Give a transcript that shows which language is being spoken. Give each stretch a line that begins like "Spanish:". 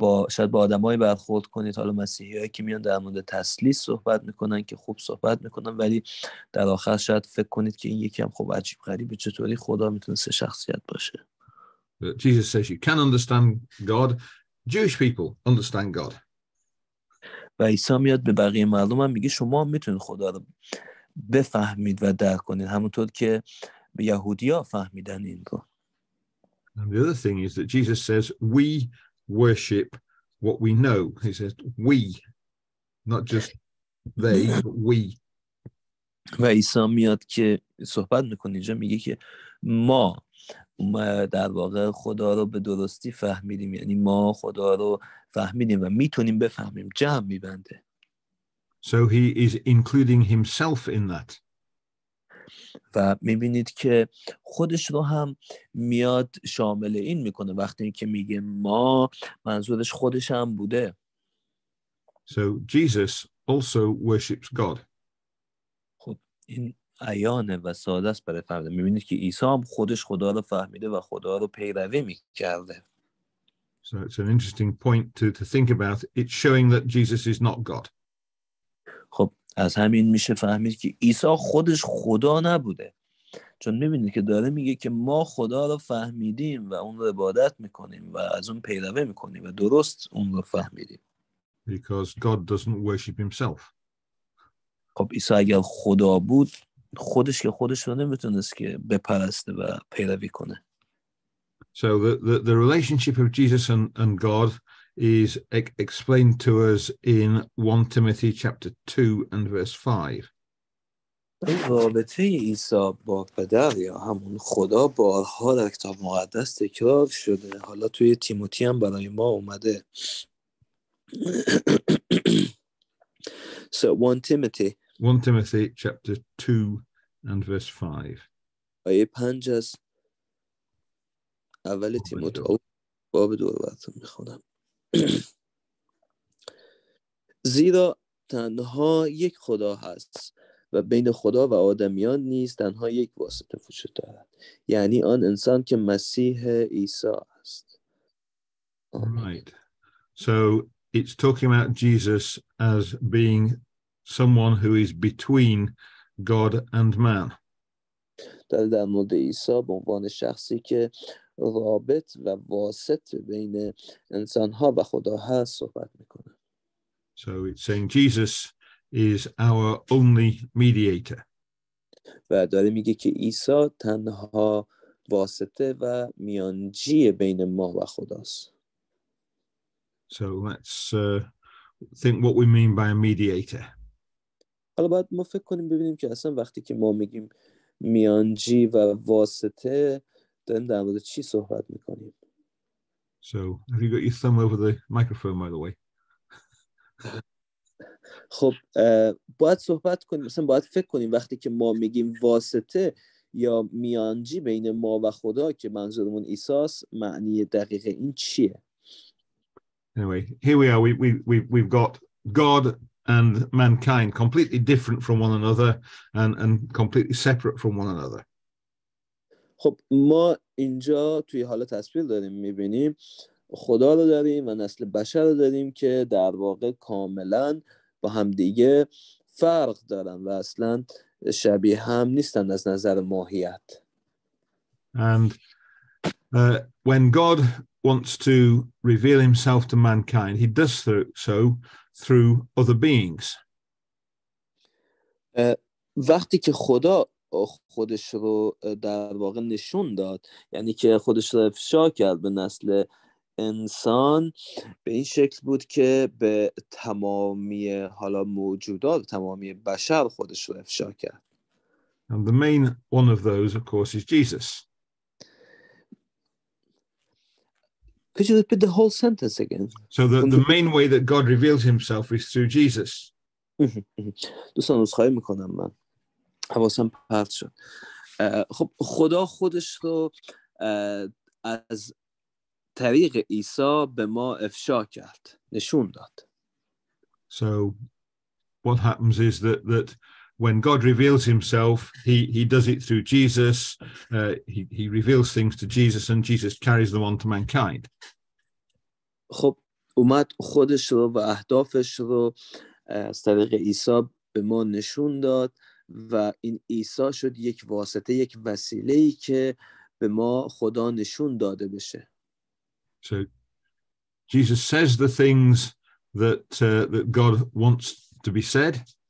Persian: شاید با آدمای برخورد کنید، حالا مسیحی‌ها که میان در مورد تثلیث صحبت میکنن که خوب صحبت میکنن، ولی در آخر شاید فکر کنید که این یکی هم خوب عجیب غریبه، چطوری خدا میتونه سه شخصیت باشه.
English: Jesus says you can understand God. Jewish people understand God.
Persian: و عیسی میاد به بقیه مردم هم میگه شما میتونید خدا رو بفهمید و درک کنید، همونطور که به یهودی‌ها فهمیدن این رو.
English: And the other thing is that Jesus says we worship what we know. He says we, not just they, but we.
Persian: و عیسی میاد که صحبت میکنه اینجا میگه که ما در واقع خدا رو به درستی فهمیدیم، یعنی ما خدا رو فهمیدیم و میتونیم بفهمیم، جمع میبنده.
English: So he is including himself in that.
Persian: و میبینید که خودش رو هم میاد شامل این میکنه، وقتی که میگه ما، منظورش خودش هم بوده.
English: So Jesus also worships God.
Persian: خب این عیانه و ساده است برای فهمیدن. میبینید که عیسی هم خودش خدا رو فهمیده و خدا رو پیروی میکرده.
English: So it's an interesting point to think about. It's showing that Jesus is not God.
Persian: خب از همین میشه فهمید که عیسی خودش خدا نبوده، چون میبینید که داره میگه که ما خدا رو فهمیدیم و اون رو عبادت میکنیم و از اون پیروی میکنیم و درست اون رو فهمیدیم.
English: Because God doesn't worship himself.
Persian: خب عیسی اگر خدا بود خودش که خودش رو نمیتونست که بپرسته و پیروی کنه.
English: So the relationship of Jesus and God is explained to us in 1 Timothy chapter 2 and verse 5.
Persian: رابطه عیسی با پدر یا همون خدا بارها در کتاب مقدس تکرار شده، حالا توی تیموتی هم برای ما اومده.
English: So 1 Timothy chapter 2 and verse 5.
Persian: آیه 5 از اول تیموتی باب 2 رو براتون میخونم. زیرا تنها یک خدا هست و بین خدا و آدمیان نیز تنها یک واسطه وجود دارد، یعنی آن انسان که مسیح عیسی است.
English: Right. So it's talking about Jesus as being someone who is between God and man.
Persian: در مورد عیسی به عنوان شخصی که رابط و واسط بین انسان‌ها و خدا هست صحبت میکنه.
English: So it's saying Jesus is our only mediator.
Persian: و داره میگه که عیسی تنها واسطه و میانجی بین ما و خداست.
English: So let's think what we mean by a mediator.
Persian: حالا باید ما فکر کنیم ببینیم که اصلا وقتی که ما میگیم میانجی و واسطه داریم در مورد چی صحبت میکنیم.
English: So, have you got your thumb over the microphone, by the way?
Persian: خب باید صحبت کنیم، مثلا باید فکر کنیم وقتی که ما میگیم واسطه یا میانجی بین ما و خدا که منظورمون عیساست، معنی دقیق این چیه.
English: Anyway, here we are. We've got God and mankind completely different from one another and completely separate from one another.
Persian: خب ما اینجا توی حال تصویر داریم میبینیم خدا رو داریم و نسل بشر رو داریم که در واقع کاملا با هم دیگه فرق دارن و اصلا شبیه هم نیستن از نظر ماهیت.
English: And when God wants to reveal himself to mankind, he does so through other beings.
Persian: وقتی که خدا خودش رو در واقع نشون داد، یعنی که خودش رو افشا کرد به نسل انسان، به این شکل بود که به تمامی حالا موجودات، تمامی بشر خودش رو افشا کرد.
English: And the main one of those, of course, is Jesus. Could you repeat the whole sentence again? So the main way that God reveals himself is through Jesus.
Persian: دوستان از خواهی میکنم من حواسم پرت شد. خب خدا خودش رو از طریق عیسی به ما افشا کرد، نشون داد.
English: So what happens is that when God reveals himself, he does it through Jesus. He reveals things to Jesus and Jesus carries them on to mankind.
Persian: خب اومد خودش رو و اهدافش رو از طریق عیسی به ما نشون داد و این عیسی شد یک واسطه، یک وسیله‌ای که به ما خدا نشون داده بشه.
English: So Jesus says the things that God wants to be said.